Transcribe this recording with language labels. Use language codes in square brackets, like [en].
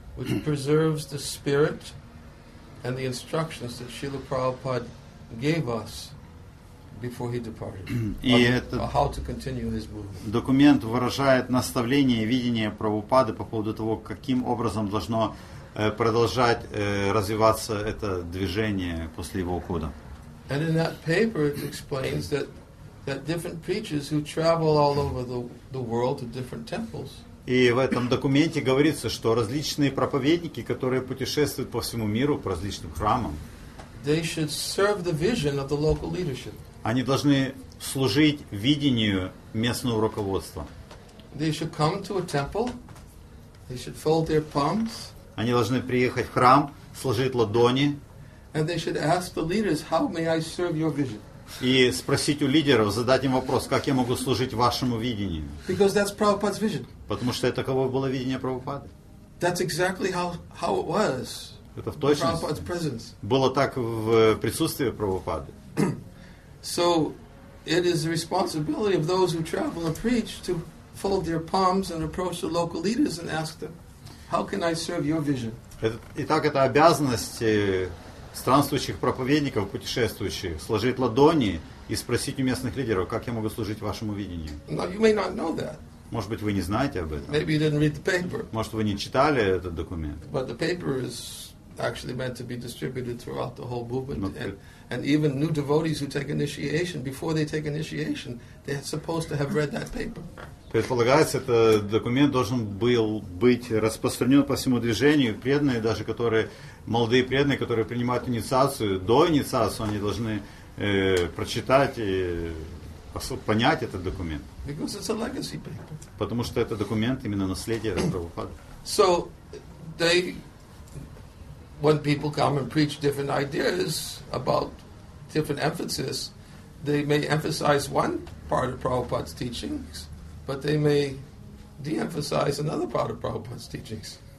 [en] Which preserves the spirit and the instructions that Srila Prabhupada gave us before he departed. [ru] И этот [en] how to continue his movement. [ru] Документ выражает наставление и видение Прабхупады по поводу того, каким образом должно продолжать развиваться это движение после его ухода. [en] And in that paper it explains that different preachers who travel all over the world to different temples. [ru] И в этом документе говорится, что различные проповедники, которые путешествуют по всему миру по различным храмам, [en] they should serve the vision of the local leadership. [ru] Они должны служить видению местного руководства. [en] They should come to a temple. They should fold their palms. [ru] Они должны приехать в храм, сложить ладони. [en] And they should ask the leaders, how may I serve your vision? [ru] И спросить у лидеров, задать им вопрос, как я могу служить вашему видению. [en] Because that's Prabhupada's vision. [ru] Потому что это таково было видение Прабхупады. [en] That's exactly how it was. [ru] Это в точности. [en] Prabhupada's presence. [ru] Было так в присутствии Прабхупады. [en] So it is the responsibility of those who travel and preach to fold their palms and approach the local leaders and ask them, how can I serve your vision? [ru] Итак, это обязанность странствующих проповедников, путешествующих, сложить ладони и спросить у местных лидеров, как я могу служить вашему видению. [en] Now, you may not know that. [ru] Может быть, вы не знаете об этом. [en] Maybe you didn't read the paper. [ru] Может, вы не читали этот документ. [en] But the paper is actually meant to be distributed throughout the whole movement. And even new devotees who take initiation, before they take initiation, they're supposed to have read that paper. [ru] Предполагается, этот документ должен был быть распространен по всему движению. Преданные, даже которые, молодые преданные, которые принимают инициацию, до инициации они должны прочитать и понять этот документ. [en] Because it's a legacy paper. [ru] Потому что это документ именно наследия Прабхупады. [en] So they when people come and preach different ideas about different emphasis, they may emphasize one part of Prabhupada's teachings, but they may de-emphasize another part of Prabhupada's teachings.